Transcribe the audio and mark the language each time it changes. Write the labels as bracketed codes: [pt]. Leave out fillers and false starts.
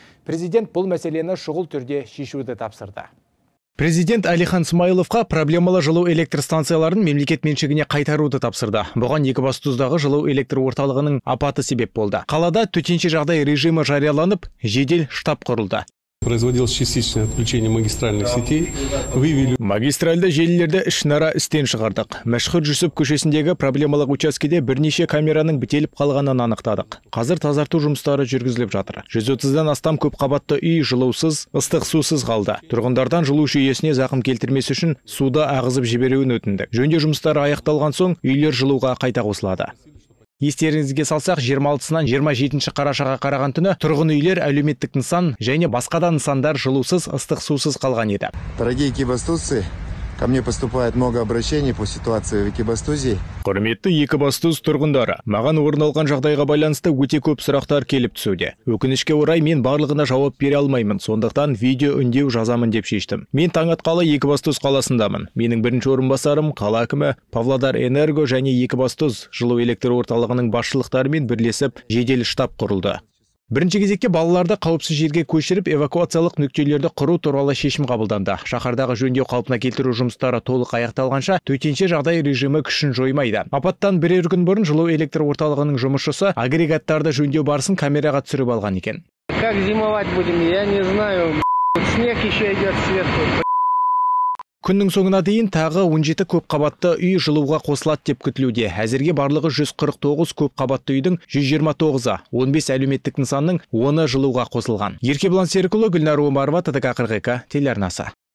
[kk] Президент бұл мәселені шұғыл түрде шешуді тапсырды. Президент Әлихан Смайловқа проблемалы жылу электростанцияларын мемлекет меншігіне қайтаруды тапсырды. Бұған Екібастұздағы жылу электроорталығының апаты себеп болды. Қалада төтенше жағдай режимі жарияланып, жедел штаб құрылды. [ru] Производилось частичное отключение магистральных сетей. Вывели [kk] магистральды желілерді ішінара істен шығардық. Мәшһүр Жүсіп көшесіндегі проблемалық учаскеде бірнеше камераның бітеліп қалғанын анықтадық. Қазір тазарту жұмыстары жүргізіліп жатыр. 130-ден астам көпқабатты үй жылусыз, ыстық сусыз қалды. Тұрғындардан жылу жүйесіне зақым келтірмесі үшін суды ағызып жіберуін өтіндік. Жөндеу жұмыстары аяқталған соң үйлер жылуға қайта қосылады. Естеріңізге салсақ, 26-сынан 27-ші қарашаға қараған түні тұрғын үйлер, әлеуметтік нысан және басқа да нысандар жылусыз, ыстық сусыз қалған еді. [ru] Дорогие екібастузцы, ко мне поступает много обращений по ситуации в Екібастузе. [kk] Құрметті Екібастұз тұрғындары, маған орын алған жағдайға байланысты өте көп сұрақтар келіп түсуде. Өкінішке орай мен барлығына жауап бере алмаймын, сондықтан видео үндеу жазамын деп шештім. Мен таң атқалы Екібастұз қаласындамын. Менің бірінші орынбасарым қала әкімі, Павлодар Энерго және Екібастұз жылу электр орталығының басшылықтарымен бірлесіп жедел штаб құрылды. Бірінші кезекке балаларды қауіпсіз жерге көшіріп, эвакуациялық нүктелерді құру туралы шешім қабылданды. Шаһардағы жөндеу қалпына келтіру жұмыстары толық аяқталғанша, төтенше жағдай режимі күшін жоймайды. Апаттан бірер күн бұрын жылу электр орталығының жұмысшысы агрегаттарды жөндеу барысын камераға түсіріп алған екен. [ru] Как зимовать будем, я не знаю. Снег еще идет сверху. [kk] Күннің соңына дейін тағы 17 көпқабатты үй жылуға қосылады деп күтілуде. Әзірге барлығы 149 көпқабатты үйдің 129-ы, 15 әлеуметтік нысанның 10-ы жылуға қосылған. Еркебұлан Серікұлы, Гүлнәр Омарова, ТТК 42, телеарнасы.